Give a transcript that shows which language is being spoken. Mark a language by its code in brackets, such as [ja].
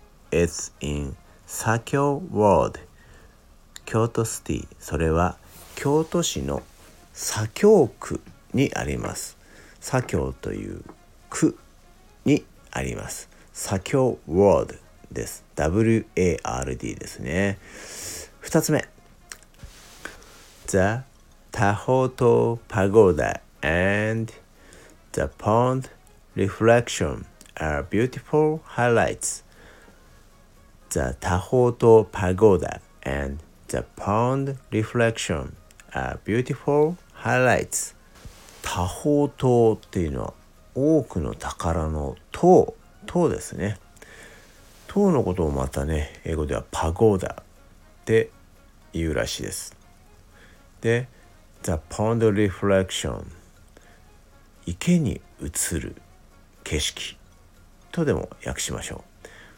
[en] It's in Sakyo World、 京都シティ。 [ja] それは京都市の左京区にあります。左京という区にあります。左京ワールドです。WARD ですね。 2つ目、 [en] The Tahoto Pagoda and The Pond Reflection are beautiful highlights. The Tahoto Pagoda and The Pond Reflection are beautiful highlights. [ja] 多宝塔っていうのは多くの宝の塔、塔ですね。塔のことをまたね、英語ではパゴダって言うらしいです。で、The Pond Reflection、 池に映る景色とでも訳しましょう。